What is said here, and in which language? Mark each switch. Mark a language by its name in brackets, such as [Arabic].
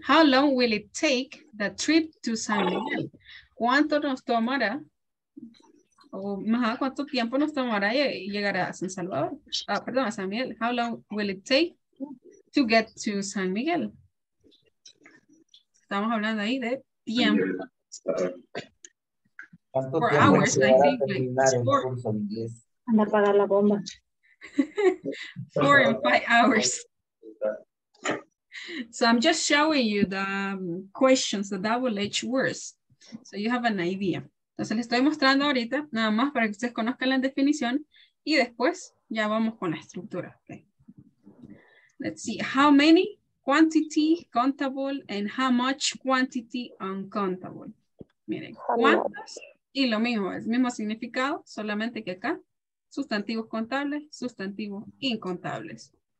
[English] How long will it take the trip to San Miguel? [Spanish] ¿Cuánto nos tomará? O más, ¿cuánto tiempo nos tomará llegar a San Salvador? Perdón, a San Miguel. [English] How long will it take to get to San Miguel? [Spanish] Estamos hablando ahí de tiempo. ¿Cuánto tiempo se va a terminar en el curso de inglés? Anda a apagar la bomba. [English] 4 and 5 hours. So I'm just showing you the questions, the double-edged words. So you have an idea. [Spanish] Entonces les estoy mostrando ahorita, nada más para que ustedes conozcan la definición, y después ya vamos con la estructura. [English] Okay. Let's see, how many quantity countable and how much quantity uncountable. [Spanish] Miren, ¿cuántos? Y lo mismo, es el mismo significado, solamente que acá, sustantivos contables, sustantivos incontables.